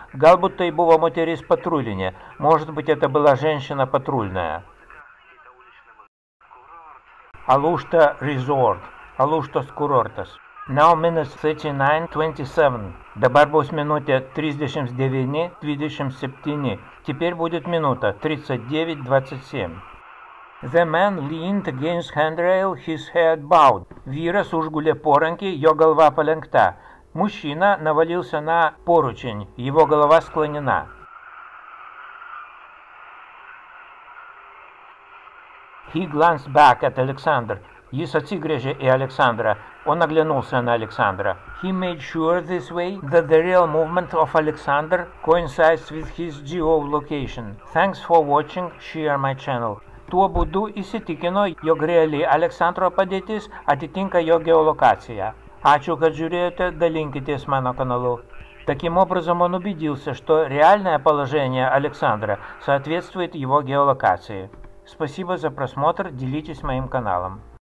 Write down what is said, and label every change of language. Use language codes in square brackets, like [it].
[lt] Galbūt tai buvo moteris patrulinė. [ru] Может быть, это была женщина патрульная. [en] Alushta resort. [lt] Alushtos kurortas. [en] Now minutes 39:27. [lt] Dabar bus minutė 39:27. [ru] Теперь будет минута 39:27. [en] The man leaned against handrail, his head bowed. [lt] Vyras užgulė porankį, jo galva palenkta. [ru] Мужчина навалился на поручень, его голова склонена. [en] He glanced back at Alexander. [lt] Jis atsigrėžė į Aleksandrą. [ru] Он оглянулся на Александра. [en] He made sure this way that the real movement of Alexander coincides with his geolocation. Thanks for watching. Share my channel. [lt] Tuo būdu įsitikino, jog reali Aleksandro padėtis atitinka jo geolokaciją. Ačiū, kad žiūrėjote, dalinkitės mano kanalu. [ru] Таким образом, он убедился, что реальное положение Александра соответствует его геолокации. Спасибо за просмотр, делитесь моим каналом.